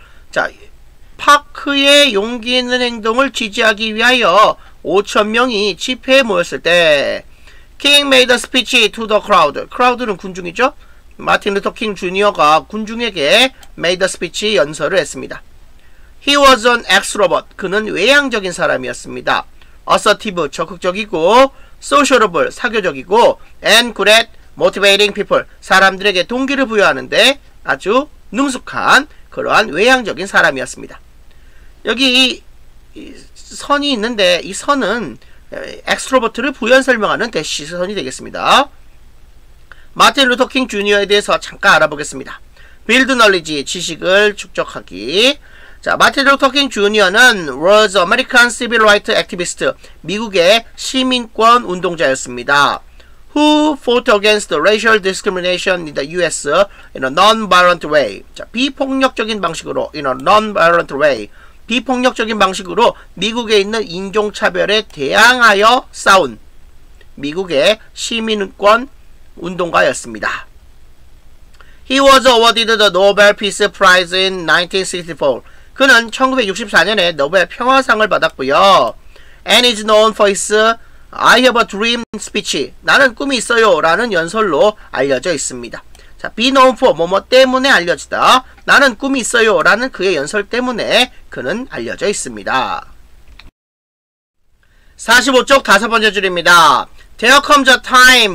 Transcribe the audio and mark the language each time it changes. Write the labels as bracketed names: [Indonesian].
[Korean] 자, 파크의 용기 있는 행동을 지지하기 위하여 5,000명이 집회에 모였을 때, [English] King made a speech to the crowd. [Korean] Crowd는 군중이죠. 마틴 루터 킹 주니어가 군중에게 [English] made a speech [Korean] 연설을 했습니다. [English] He was an extrovert. [Korean] 그는 외향적인 사람이었습니다. [English] Assertive, [Korean] 적극적이고, [English] sociable, [Korean] 사교적이고, [English] and good at motivating people. [Korean] 사람들에게 동기를 부여하는데 아주 능숙한 그러한 외향적인 사람이었습니다. 여기 이 선이 있는데 이 선은 extrovert를 부연 설명하는 대시선이 되겠습니다. 마틴 루터 킹 주니어에 대해서 잠깐 알아보겠습니다. 빌드 널리지, 지식을 축적하기. [English] 자, 마틴 루터 킹 주니어는 was American Civil Rights Activist, [Korean] 미국의 시민권 운동자였습니다. [English] Who fought against racial discrimination in the US in a non-violent way. [Korean] 자, 비폭력적인 방식으로, [English] in a non-violent way. [Korean] 비폭력적인 방식으로 미국에 있는 인종차별에 대항하여 싸운 미국의 시민권 운동가였습니다. [English] He was awarded the Nobel Peace Prize in 1964. [Korean] 그는 1964년에 노벨 평화상을 받았고요. [English] And is known for his I have a dream speech. [Korean] 나는 꿈이 있어요 라는 연설로 알려져 있습니다. 자, [English] be known for [Korean] 뭐뭐 때문에 알려지다. 나는 꿈이 있어요 라는 그의 연설 때문에 그는 알려져 있습니다. 45쪽 다섯 번째 줄입니다. [English] There comes a time.